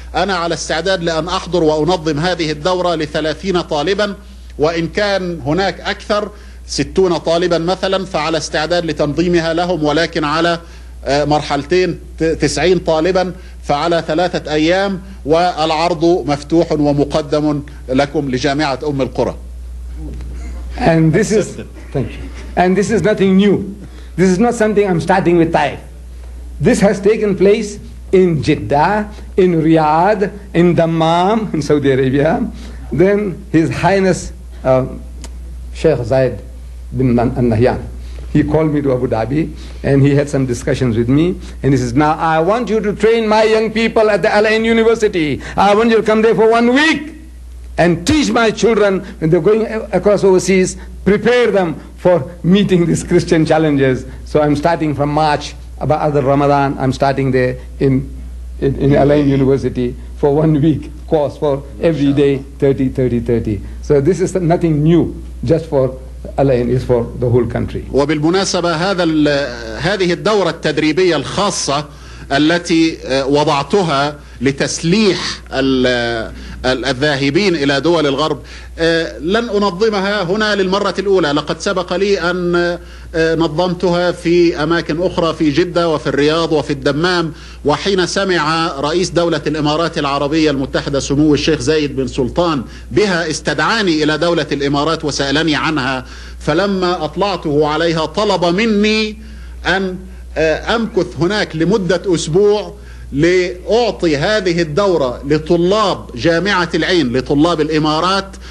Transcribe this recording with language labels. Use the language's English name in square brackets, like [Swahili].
[Arabic] أنا على استعداد لأن أحضر وأنظم هذه الدورة لـ30 طالبا، وإن كان هناك أكثر 60 طالبا مثلا فعلى استعداد لتنظيمها لهم، ولكن على مرحلتين 90 طالبا فعلى 3 أيام. والعرض مفتوح ومقدم لكم لجامعة أم القرى. [English] And this is, thank you. And this is nothing new. This is not something I'm starting with Taif. This has taken place in Jeddah, in Riyadh, in Dammam, in Saudi Arabia. Then His Highness Sheikh Zayed bin Nahyan, he called me to Abu Dhabi and he had some discussions with me and he says, now I want you to train my young people at the Al Ain University. I want you to come there for 1 week and teach my children when they're going across overseas, prepare them for meeting these Christian challenges. So I'm starting from March, about other Ramadan, I'm starting there in Al Ain University for 1 week course for every day 30, 30, 30. So this is nothing new, just for Alain, is for the whole country. [Arabic] وبالمناسبة هذه الدورة التدريبية الخاصة التي وضعتها لتسليح الذاهبين إلى دول الغرب لن أنظمها هنا للمرة الأولى. لقد سبق لي أن نظمتها في أماكن أخرى، في جدة وفي الرياض وفي الدمام، وحين سمع رئيس دولة الإمارات العربية المتحدة سمو الشيخ زايد بن سلطان بها استدعاني إلى دولة الإمارات وسألني عنها، فلما أطلعته عليها طلب مني أن أمكث هناك لمدة أسبوع لأعطي هذه الدورة لطلاب جامعة العين، لطلاب الإمارات